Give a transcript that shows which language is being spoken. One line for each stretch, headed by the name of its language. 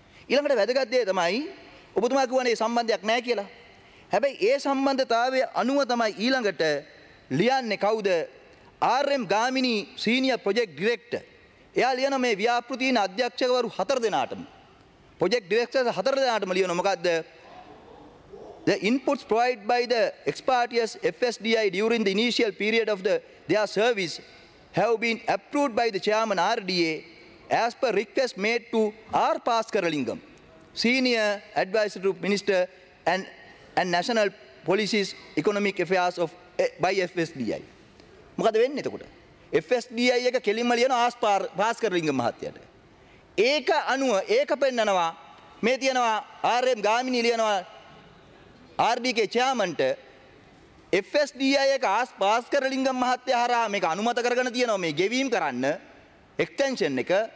Sinhala: ඊළඟට වැදගත් දේ තමයි ඔබතුමා කියවනේ සම්බන්ධයක් නැහැ කියලා. හැබැයි ඒ සම්බන්ධතාවය අනුව තමයි ඊළඟට ලියන්නේ කවුද? RM Gamini senior project director. එයා ලියන මේ ව්‍යාපෘතින අධ්‍යක්ෂකවරු හතර දෙනාටම, ප්‍රොජෙක්ට් ඩිරෙක්ටර්ස් හතර දෙනාටම ලියන මොකද්ද?
English: The inputs provided by the expatriates FSDI during the initial period of their service have been approved by the chairman RDA as per request made to R. Paskaralingam, senior advisor to minister and national policies economic affairs of by FSDI.
Sinhala: මොකද වෙන්නේ එතකොට? FSDI එක කෙලින්ම ලියන ආස් පාස්කරලිංගම් මහත්තයාට. ඒක අනුව ඒක පෙන්නනවා මේ තියනවා RM ගාමිණී ලියනවා RDK චෙයාර්මන්ට FSDI එක ආස් පාස්කරලිංගම් මහත්තයා හරහා මේක අනුමත කරගෙන තියෙනවා මේ ගෙවීම් කරන්න එක්ස්ටෙන්ෂන් එක.